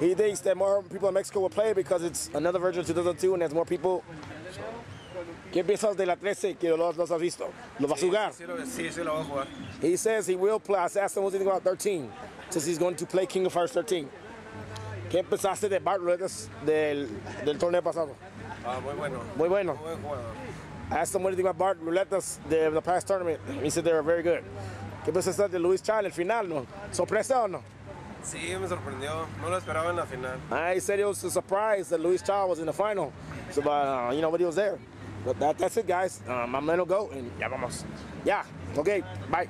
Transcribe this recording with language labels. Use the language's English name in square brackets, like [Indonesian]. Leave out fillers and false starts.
[English] He thinks that more people in Mexico will play because it's another version of 2002 and there's more people. [Spanish] ¿Qué piensas de la 13 que los has visto? ¿Lo vas a jugar? Sí, lo va a jugar. [English] He says he will play. I asked him what he thinks about 13, since he's going to play King of Hearts 13. [Spanish] ¿Qué pensaste de Bart Reyes del torneo pasado? Muy bueno. Muy bueno. Muy buen jugador. [English] I asked him what he thinks about Bart Reyes the past tournament. He said they were very good. [Spanish] ¿Qué pensaste de Luis Chan el final, no? ¿Sorpresa o no? Sí, me sorprendió. No lo esperaba en la final. [English] He said it was a surprise that Luis Chan was in the final. So, you know, but he was there. But that's it, guys. I'm gonna go, and [Spanish] ya vamos. [English] Yeah, okay, bye.